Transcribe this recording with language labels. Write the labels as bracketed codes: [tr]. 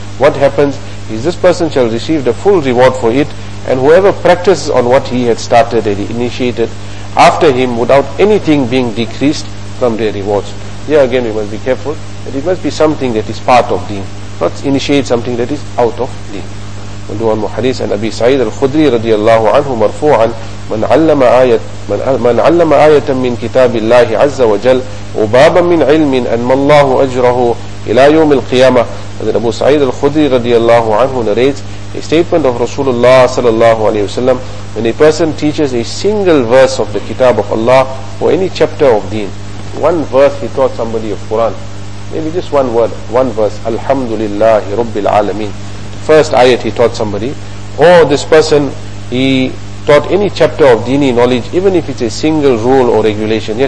[en] What happens is this person shall receive the full reward for it, and whoever practices on what he had started and initiated after him without anything being decreased from their rewards. Here again we must be careful that it must be something that is part of deen, not initiate something that is out of deen. We'll do one more hadith. [ar] And Abi Sa'id al-Khudri radiallahu anhu marfu'an, من علم آية من كتاب الله عز وجل وبابا من علم أنما الله أجره إلى يوم القيامة. [en] And Abu Sa'id al-Khudri radiallahu anhu narrates a statement of Rasulullah sallallahu alayhi wa sallam, when a person teaches a single verse of the Kitab of Allah or any chapter of deen, one verse he taught somebody of Quran, maybe just one word, one verse, Alhamdulillahi Rabbil Alameen, first ayat he taught somebody, or this person he taught any chapter of deeni knowledge, even if it's a single rule or regulation.